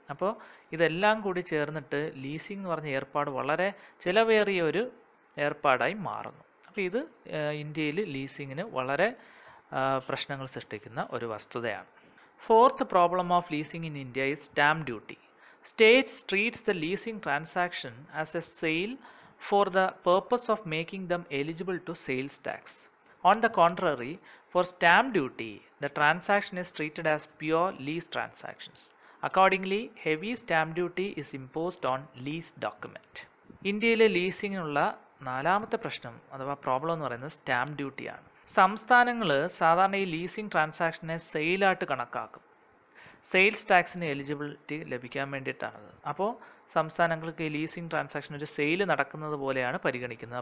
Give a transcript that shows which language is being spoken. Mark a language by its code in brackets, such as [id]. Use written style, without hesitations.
[ml] അപ്പോൾ ഇതെല്ലാം കൂടി ചേർന്നിട്ട് ലീസിംഗ് എന്ന് പറഞ്ഞ ഏർപ്പാട് വളരെ ചിലവേറിയ ഒരു ഏർപ്പാടായി മാറുന്നു. അപ്പോൾ ഇത് ഇന്ത്യയിൽ ലീസിങ്ങിന് വളരെ പ്രശ്നങ്ങൾ സൃഷ്ടിക്കുന്ന ഒരു വസ്തുതയാണ്. [en] Fourth problem of leasing in India is stamp duty. States treats the leasing transaction as a sale for the purpose of making them eligible to sales tax. On the contrary, for stamp duty, the transaction is treated as pure lease transactions. Accordingly, heavy stamp duty is imposed on lease document. [ml] ഇന്ത്യയിലെ ലീസിംഗിനുള്ള നാലാമത്തെ പ്രശ്നം അഥവാ problem എന്ന് പറയുന്നത് stamp ഡ്യൂട്ടിയാണ്. സംസ്ഥാനങ്ങൾ സാധാരണ ഈ ലീസിംഗ് ട്രാൻസാക്ഷനെ സെയിലായിട്ട് കണക്കാക്കും. സെയിൽസ് ടാക്സിന് എലിജിബിലിറ്റി ലഭിക്കാൻ വേണ്ടിയിട്ടാണത്. അപ്പോൾ സംസ്ഥാനങ്ങൾക്ക് ഈ ലീസിംഗ് ട്രാൻസാക്ഷൻ ഒരു സെയിൽ നടക്കുന്നത് പോലെയാണ് പരിഗണിക്കുന്നത്.